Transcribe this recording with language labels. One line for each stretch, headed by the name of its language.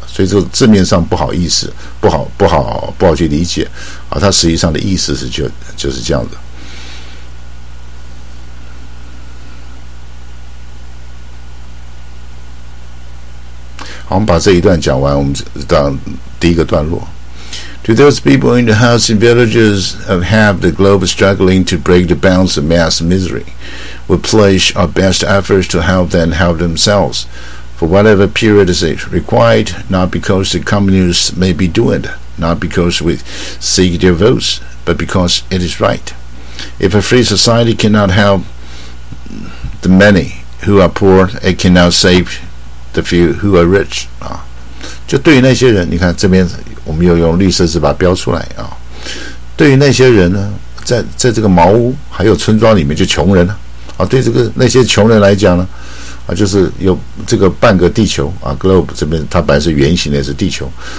Chinese: 所以这个字面上不好意思，不好去理解，啊，它实际上的意思是就是这样的。好，我们把这一段讲完，我们到第一个段落。
English: To those people in the house and villages of half the globe struggling to break the bounds of mass misery, we pledge our best efforts to help them help themselves, for whatever period is required, not because the communists may be doing it, not because we seek their votes, but because it is right. If a free society cannot help the many who are poor, it cannot save the few who are rich.
Chinese: 就对于那些人，你看这边我们又用绿色字把它标出来啊。对于那些人呢，在这个茅屋还有村庄里面，就穷人啊，啊对这个那些穷人来讲呢，啊就是有这个半个地球啊 ，globe 这边它本来是圆形的，是地球。